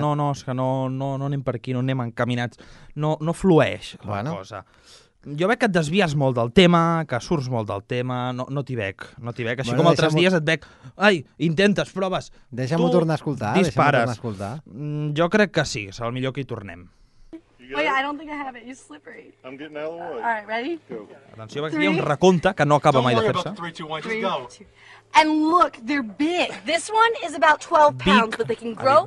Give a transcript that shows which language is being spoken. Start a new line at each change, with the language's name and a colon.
Catalan: No, no, és que no, no, no anem per aquí, no anem encaminats. No, no flueix la bueno. cosa. Jo veig que et desvies molt del tema, que surts molt del tema, no t'hi veig. Així bueno, com altres dies et veig, ai, intentes, proves. Deixa-m'ho tornar a escoltar. Dispares. Tornar a escoltar. Jo crec que sí, serà el millor que hi tornem.
English: Oh, yeah, I don't think I have it. You're slippery. I'm getting out of the way. All right, ready? Go.
Catalan: Atenció, perquè hi ha un recompte que no acaba mai de fer-se.
English: Don't worry about the 3, 2, 1, just go. And look, they're big. This one is about 12 big. Pounds, but they can grow